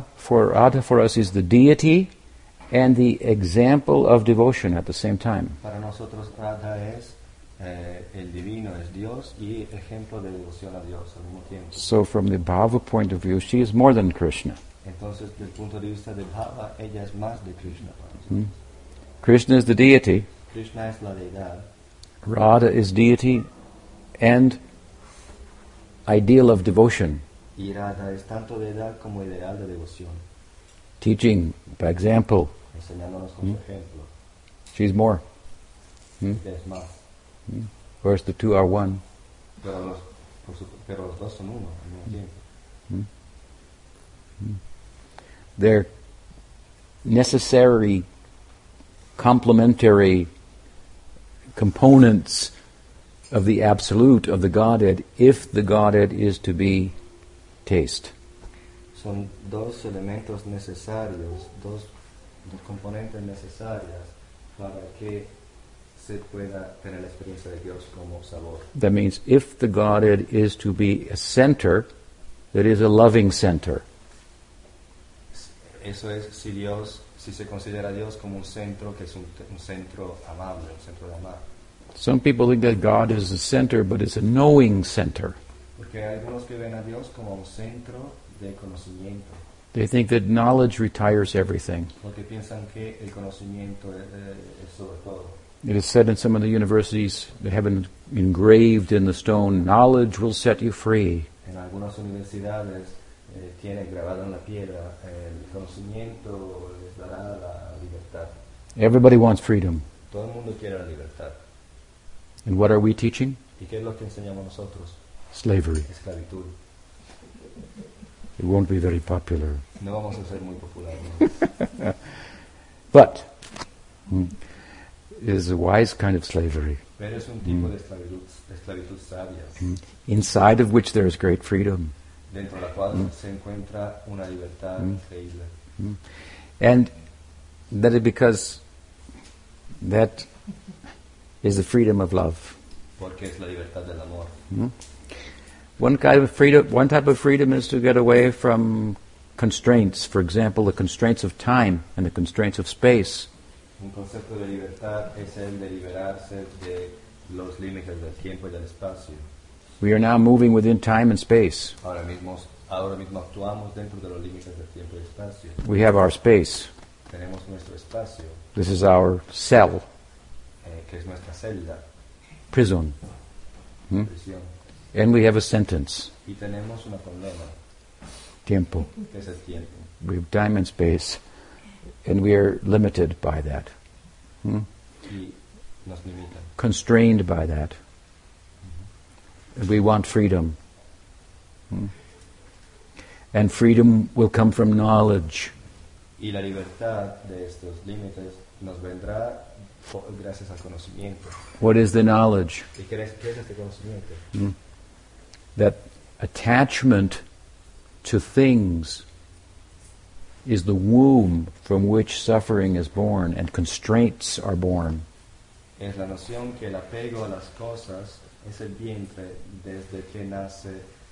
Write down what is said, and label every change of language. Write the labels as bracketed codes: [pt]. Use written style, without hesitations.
[en] Radha for us is the deity and the example of devotion at the same time. [es] Para nosotros Radha es el divino, es Dios y ejemplo de devoción a Dios al mismo tiempo. [en] So from the Bhava point of view, she is more than Krishna. [es] Entonces, del punto de vista de Bhava, ella es más de Krishna. [en] Krishna is the deity. [es] Krishna es la deidad. [en] Radha is deity and ideal of devotion. [es] Y Radha es tanto deidad como ideal de devoción. [en] Teaching by example. [es] Enseñándonos con su ejemplo. [en] She's more. [es] Es más. [en] Whereas the two are one. [es] Pero los dos son uno al mismo tiempo. [en] They're necessary complementary components of the absolute of the Godhead if the Godhead is to be taste. [es] Son dos elementos necesarios, dos componentes necesarias para que se pueda tener la experiencia de Dios como sabor. [en] That means if the Godhead is to be a center, that is a loving center. [es] Eso es si Dios, si se considera a Dios como un centro, que es un centro amable, un centro de amar. [en] Some people think that God is a center, but it's a knowing center. [es] Porque hay algunos que ven a Dios como un centro de conocimiento. [en] They think that knowledge retires everything. [es] Porque piensan que el conocimiento es sobre todo. [en] It is said in some of the universities, they have engraved in the stone, knowledge will set you free. [es] En algunas universidades, tiene grabado en la piedra, el conocimiento les dará la libertad. [en] Everybody wants freedom. [es] Todo el mundo quiere la libertad. [en] And what are we teaching? [es] ¿Y qué es lo que enseñamos nosotros? [en] Slavery. [es] Esclavitud. [en] It won't be very popular. [es] No vamos a ser muy populares. [en] But it is a wise kind of slavery. [es] Pero es un tipo de esclavitud sabia. [en] Inside of which there is great freedom. [es] Dentro de la cual se encuentra una libertad increíble. [en] And that is because that is the freedom of love. [es] Porque es la libertad del amor. [en] One type of freedom is to get away from constraints, for example, the constraints of time and the constraints of space. [es] Un concepto de libertad es el de liberarse de los límites del tiempo y del espacio. [en] We are now moving within time and space. [es] Ahora mismo actuamos dentro de los límites del tiempo y del espacio. [en] We have our space. [es] Tenemos nuestro espacio. [en] This is our cell. [es] Que es nuestra celda. [en] Prison. [es] Prisión. [en] And we have a sentence. [es] Y tenemos una condena. Tiempo. Que es el tiempo. [en] We have time and space. And we are limited by that. [es] Y nos limitan. [en] Constrained by that. We want freedom. And freedom will come from knowledge. [es] Y la libertad de estos límites nos vendrá gracias al conocimiento. [en] What is the knowledge? [es] ¿Y qué es este conocimiento? [en] That attachment to things is the womb from which suffering is born and constraints are born. [es] Es la noción que el apego a las cosas es el vientre desde que nace